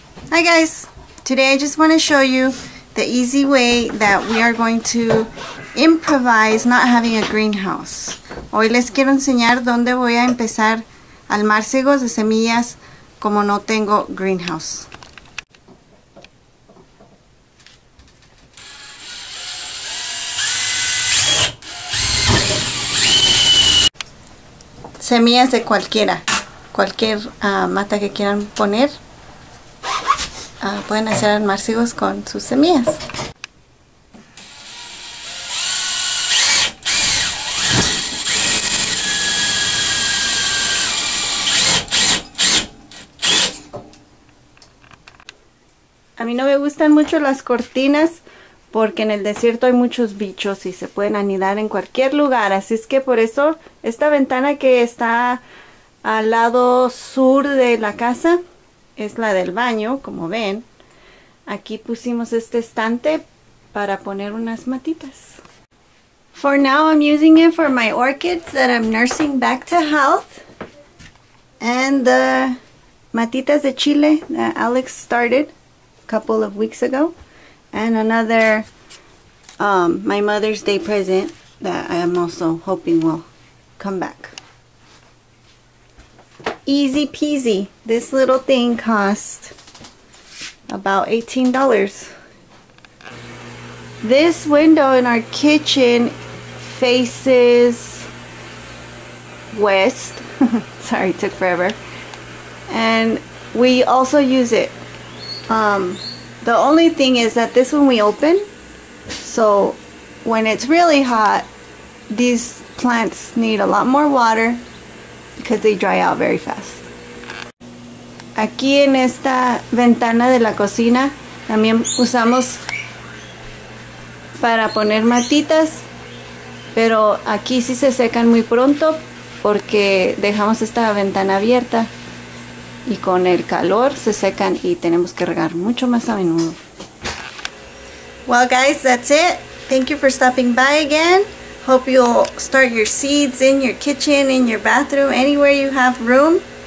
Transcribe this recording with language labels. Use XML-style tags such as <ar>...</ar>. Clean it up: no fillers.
<en>Hi guys, today I just want to show you the easy way that we are going to improvise not having a greenhouse.</en> <es>Hoy les quiero enseñar dónde voy a empezar almarcigos de semillas como no tengo greenhouse. Semillas de cualquier mata que quieran poner. Pueden hacer almarcigos con sus semillas. A mí no me gustan mucho las cortinas porque en el desierto hay muchos bichos y se pueden anidar en cualquier lugar. Así es que por eso esta ventana que está al lado sur de la casa es la del baño, como ven. Aquí pusimos este estante para poner unas matitas.</es> <en>For now, I'm using it for my orchids that I'm nursing back to health. And the</en> <es>matitas de chile</es> <en>that Alex started a couple of weeks ago. And another, my Mother's Day present that I am also hoping will come back. Easy peasy. This little thing cost about $18. This window in our kitchen faces west. Sorry, it took forever. And we also use it. The only thing is that this one we open, so when it's really hot, these plants need a lot more water because they dry out very fast.</en> <es>Aquí en esta ventana de la cocina también usamos para poner matitas, pero aquí sí se secan muy pronto porque dejamos esta ventana abierta y con el calor se secan y tenemos que regar mucho más a menudo.</es> <en>Well guys, that's it. Thank you for stopping by again. Hope you'll start your seeds in your kitchen, in your bathroom, anywhere you have room.</en>